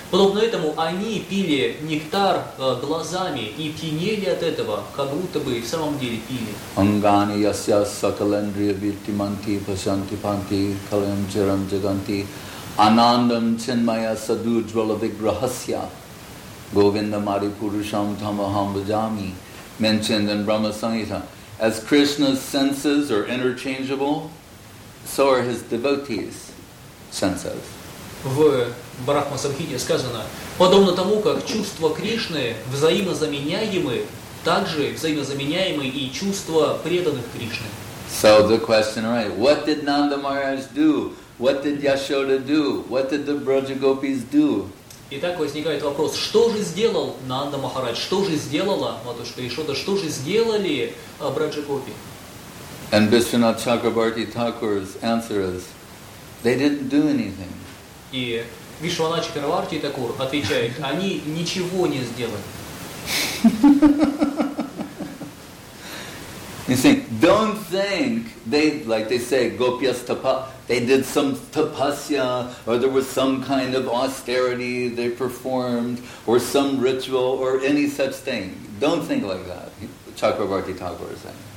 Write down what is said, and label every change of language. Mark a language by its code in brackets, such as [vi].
[ru] Подобно этому они пили нектар глазами и пьянели от этого, как будто бы в самом деле пили. [sa] Ангани яся сакалендрия биттиманти пасанти панти калем чирам джаганти анандам чинмая саду джвала виграхасья говинда мари пурушам тамахам баджами [en] mentioned in Brahma Sangita. As Krishna's senses are interchangeable, so are his devotees' senses. [ru] В Брахма Самхите сказано, подобно тому, как чувства Кришны взаимозаменяемы, также взаимозаменяемы и чувства преданных Кришны. [en] So the question, right? What did Nanda Maharaj do? What did Yashoda do? What did the Brajagopis do? [ru] Итак, возникает вопрос, что же сделал Нанда Махарадж? Что же сделала матушка Ишода? Что же сделали Брадж-гопи? [en] And Biswanath Chakrabarti Thakur's answer is, they didn't do anything. [ru] И Вишванат Чакрабарти Такур отвечает, они ничего не сделали. [en] You see, don't think they, like they say, gopyastapa, they did some tapasya, or there was some kind of austerity they performed, or some ritual, or any such thing. Don't think like that, Chakrabarti Thakur is saying.